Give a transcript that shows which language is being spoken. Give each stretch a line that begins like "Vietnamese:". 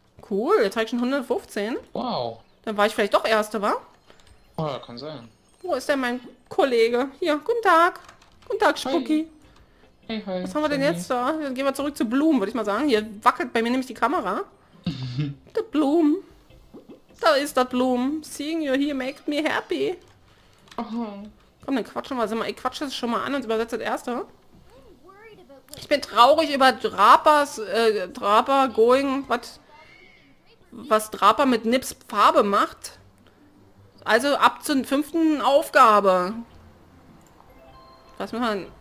German: Cool, jetzt habe ich schon 115. Wow. Dann war ich vielleicht doch Erster, wa? Oh, kann sein. Wo ist denn mein Kollege? Hier, guten Tag. Guten Tag, Spooky. Hi. Hey, hi. Was haben wir denn jetzt da? Dann gehen wir zurück zu Blumen, würde ich mal sagen. Hier wackelt bei mir nämlich die Kamera. Der Blumen. Da ist der Blumen.
English: Seeing you here makes me happy. Oh.
German: Komm, dann quatschen wir mal. Ich quatsche das schon mal an und übersetze das Erste. Ich bin traurig über Drapers, Draper going, was Draper mit Nips Farbe macht. Also ab zur fünften Aufgabe. Was machen wir?